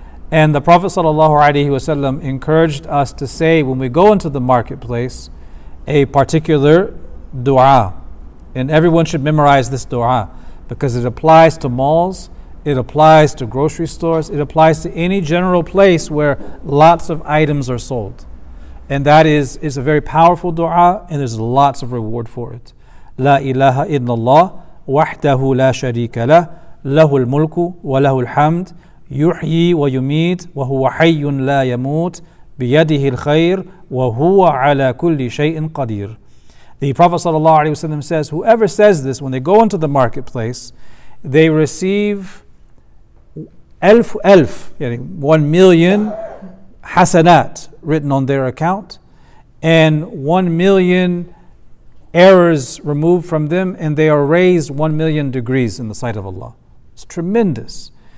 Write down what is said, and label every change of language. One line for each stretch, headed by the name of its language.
English: And the Prophet sallallahu alaihi wasallam encouraged us to say, when we go into the marketplace, a particular dua. And everyone should memorize this dua, because it applies to malls, it applies to grocery stores, it applies to any general place where lots of items are sold. And that is a very powerful dua, and there's lots of reward for it.
Arabic: لا إله إلا الله وحده لا شريك له له الملك وله الحمد يحيي ويميت وهو حي لا يموت بيده الخير وهو على كل شيء قدير.
English: The Prophet sallallahu alaihi wasallam says, whoever says this when they go into the marketplace, they receive elf, yani 1 million hasanat written on their account, and 1 million errors removed from them, and they are raised 1 million degrees in the sight of Allah. It's tremendous.